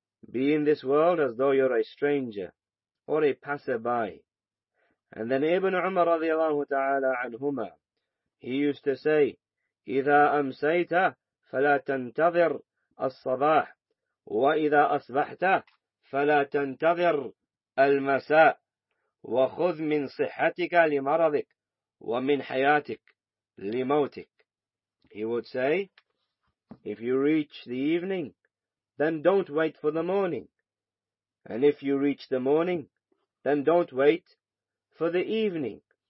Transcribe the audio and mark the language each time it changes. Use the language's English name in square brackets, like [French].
[English] Be in this world as though you're a stranger or a passerby. And then Ibn Umar radiyallahu ta'ala anhuma, he used to say, [Arabic] إذا أمسيت فلا تنتظر الصباح وإذا أصبحت فلا تنتظر المساء وخذ من صحتك لمرضك ومن حياتك لموتك. [English] He would say, if you reach the evening, then don't wait for the morning. And if you reach the morning, then don't wait for the evening.